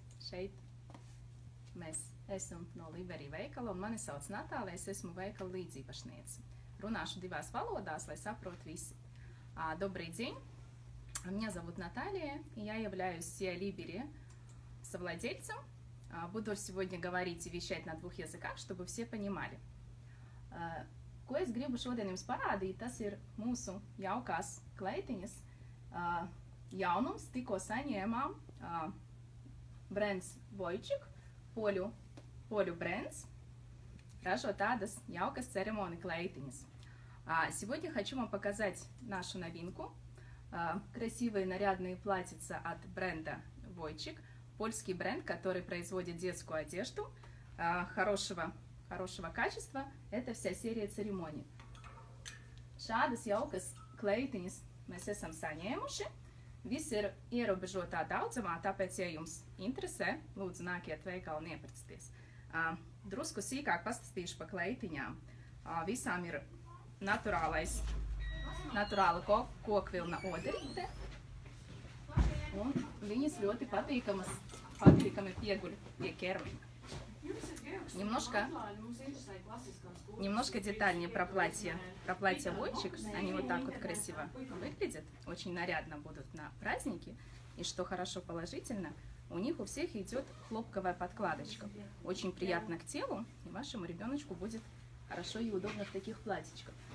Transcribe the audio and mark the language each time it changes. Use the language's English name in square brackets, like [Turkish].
[Latvian] Šeit mēs esam no Liberty veikala, un mani sauc Natālija, es esmu veikala līdzīpašniece. Runāšu divās valodās, lai saprot visi. [Russian] Dobrī dziņ! Меня зовут Наталья, и я являюсь Liberty совладельцем. Буду сегодня говорить и вещать на двух языках, чтобы все понимали. [Latvian] Ko es gribu šodien jums parādīt, tas ir mūsu jaukās kleitiņas jaunums, tikko saņēmām brands Wojcik, poļu brands, ražo tādas jaukas ceremoni kleitiņas. [Russian] Сегодня хочу вам показать нашу новинку. Красивые нарядные платьица от бренда Wojcik, польский бренд, который производит детскую одежду хорошего качества. Это вся серия церемоний. [Latvian] Šādas jaukas kleitiņas mēs esam saņēmuši. Viss ir ierobežotā daudzumā, tāpēc, ja jums interesē, lūdzu nākiet veikalu un iepirkties. Drusku sīkāk pastāstīšu pa kleitiņām. Visām ir naturāla kokvilna oderīte. Un viņas ļoti patīkami pieguļ pie ķermeņa. [Russian] Немножко детальнее про платье. Про платье Wojcik. Они вот так вот красиво выглядят. Очень нарядно будут на празднике. И что хорошо положительно, у них у всех идет хлопковая подкладочка. Очень приятно к телу. И вашему ребеночку будет хорошо и удобно в таких платьичках.